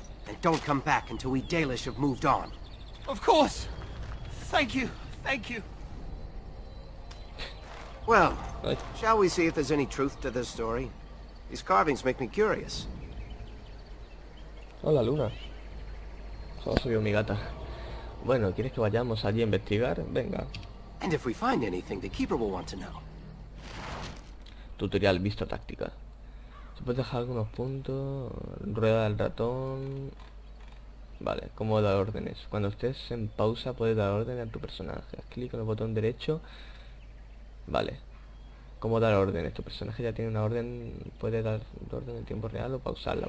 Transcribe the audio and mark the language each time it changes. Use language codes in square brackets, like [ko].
[en] And don't come back until we Dalish have moved on. Of course! Thank you, thank you. Well, shall we see if there's any truth to this story? These carvings make me curious. [es] Hola, Luna. Solo soy yo, mi gata. Bueno, ¿quieres que vayamos allí a investigar? Venga. [en] And if we find anything, the Keeper will want to know. [es] Tutorial vista táctica. ¿Se puede dejar algunos puntos? Rueda del ratón. Vale, ¿cómo dar órdenes? Cuando estés en pausa, puedes dar órdenes a tu personaje. Haz clic en el botón derecho. Vale. ¿Cómo dar órdenes? Tu personaje ya tiene una orden. Puede dar orden en tiempo real o pausarla.